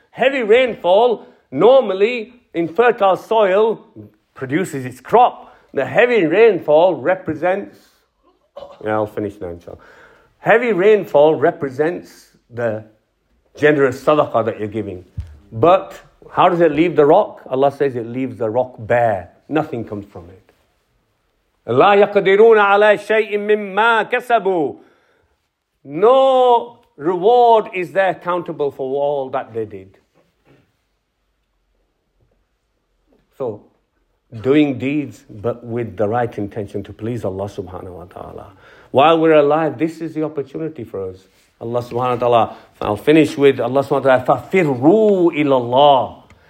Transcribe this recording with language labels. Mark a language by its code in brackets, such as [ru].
[en] Heavy rainfall, normally in fertile soil, produces its crop. The heavy rainfall represents... Yeah, I'll finish now, inshallah. Heavy rainfall represents the generous sadaqah that you're giving. But how does it leave the rock? Allah says it leaves the rock bare. Nothing comes from it. [ar] لا يقدرون على شيء مما كسبوا [en] No... Reward is there accountable for all that they did. So, doing deeds, but with the right intention to please Allah subhanahu wa ta'ala. While we're alive, this is the opportunity for us. Allah subhanahu wa ta'ala, I'll finish with Allah subhanahu wa ta'ala, [ar] fafirru ila Allah.